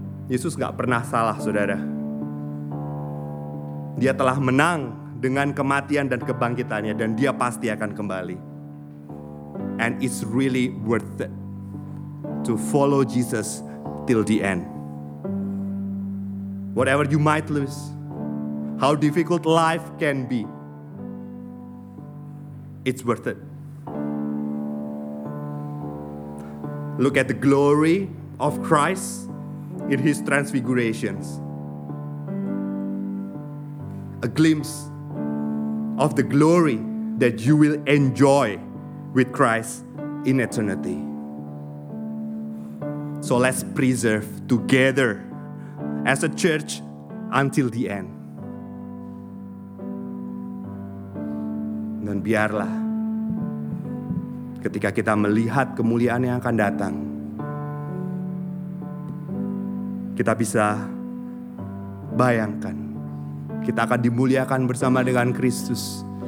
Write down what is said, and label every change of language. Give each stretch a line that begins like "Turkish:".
Indonesian: Yesus gak pernah salah, saudara. Dia telah menang dengan kematian dan kebangkitannya, dan Dia pasti akan kembali.
English: And it's really worth it to follow Jesus till the end. Whatever you might lose, how difficult life can be, it's worth it. Look at the glory of Christ in His transfigurations. A glimpse of the glory that you will enjoy with Christ in eternity. So let's preserve together as a church until the end.
Indonesian: Dan biarlah ketika kita melihat kemuliaan yang akan datang, kita bisa bayangkan kita akan dimuliakan bersama dengan Kristus.